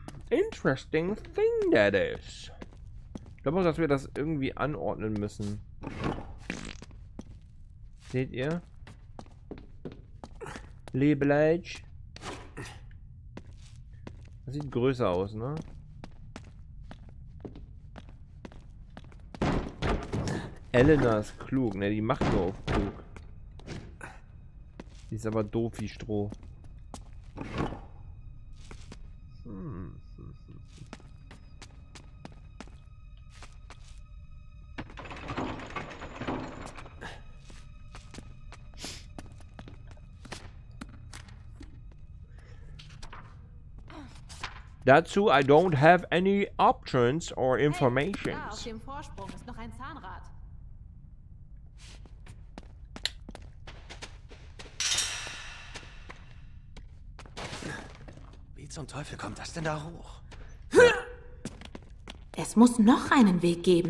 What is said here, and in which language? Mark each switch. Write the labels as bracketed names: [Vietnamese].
[English] Interesting thing that is. [German] Ich glaube auch, dass wir das irgendwie anordnen müssen. Seht ihr? Lebelage. Das sieht größer aus, ne? Elena ist klug, ne? Die macht nur auf klug. Die ist aber doof wie Stroh. Dazu, [English] I don't have any options or information. [German] Hey, da auf dem Vorsprung ist noch ein Zahnrad. Wie zum Teufel kommt das denn da hoch? Es muss noch einen Weg geben.